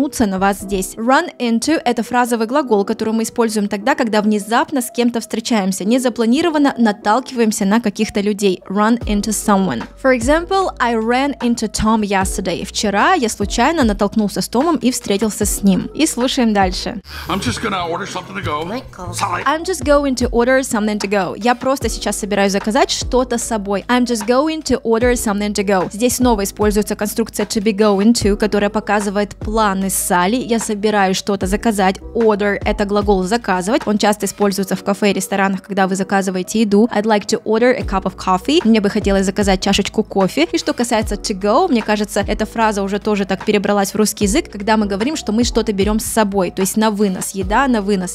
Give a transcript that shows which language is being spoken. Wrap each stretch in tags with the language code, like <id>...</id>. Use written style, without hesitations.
<ru>наткнуться на вас здесь. Run into – это фразовый глагол, который мы используем тогда, когда внезапно с кем-то встречаемся, незапланированно наталкиваемся на каких-то людей.</ru> <en>Run into someone. For example, I ran into Tom yesterday.</en> <ru>Вчера я случайно наткнулся с Томом и встретился с ним. И слушаем дальше.</ru> <en>I'm just gonna order something to go. Michael. I'm just going to order something to go.</en> <ru>Я просто сейчас собираюсь заказать что-то с собой.</ru> <en>I'm just going to order something to go.</en> <ru>Здесь снова используется конструкция to be going to, которая показывает планы Салли. Я собираюсь что-то заказать. Order – это глагол заказывать. Он часто используется в кафе и ресторанах, когда вы заказываете еду.</ru> <en>I'd like to order a cup of coffee.</en> <ru>Мне бы хотелось заказать чашечку кофе. И что касается to go, мне кажется, эта фраза уже тоже так перебралась в русский язык, когда мы говорим, что мы что-то берем с собой. То есть на вынос. Еда на вынос.</ru>